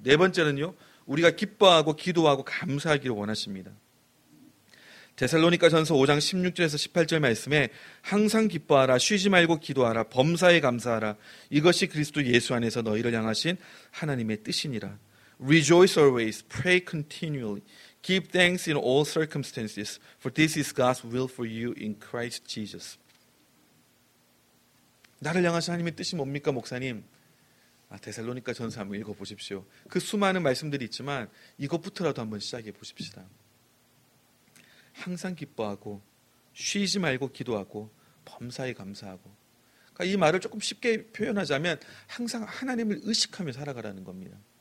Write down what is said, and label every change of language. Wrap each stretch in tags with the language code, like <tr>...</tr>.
<ko>네 번째는요, 우리가 기뻐하고 기도하고 감사하기를 원하십니다. 데살로니가전서 5장 16절에서 18절 말씀에 항상 기뻐하라, 쉬지 말고 기도하라, 범사에 감사하라. 이것이 그리스도 예수 안에서 너희를 향하신 하나님의 뜻이니라.</ko> <en>Rejoice always, pray continually, keep thanks in all circumstances, for this is God's will for you in Christ Jesus.</en> <ko>나를 향하신 하나님의 뜻이 뭡니까, 목사님? 아, 데살로니가 전서 한번 읽어보십시오. 그 수많은 말씀들이 있지만 이것부터라도 한번 시작해 보십시다. 항상 기뻐하고 쉬지 말고 기도하고 범사에 감사하고 그러니까 이 말을 조금 쉽게 표현하자면 항상 하나님을 의식하며 살아가라는 겁니다.</ko>